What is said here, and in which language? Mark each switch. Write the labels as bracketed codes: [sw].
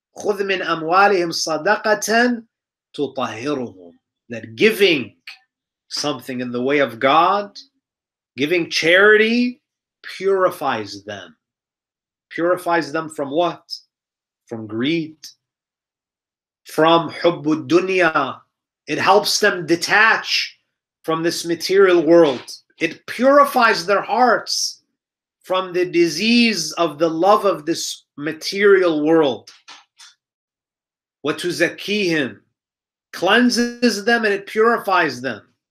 [ar] خُذْ مِنْ أَمْوَالِهِمْ صَدَقَةً تُطَهِرُهُمْ. [en] That giving something in the way of God, giving charity, purifies them. Purifies them from what? From greed. From [ar] حُبُّ الدُّنْيَا. [en] It helps them detach from this material world. It purifies their hearts from the disease of the love of this material world. [ar] وَتُزَكِّيهِمْ. [en] Cleanses them and it purifies them.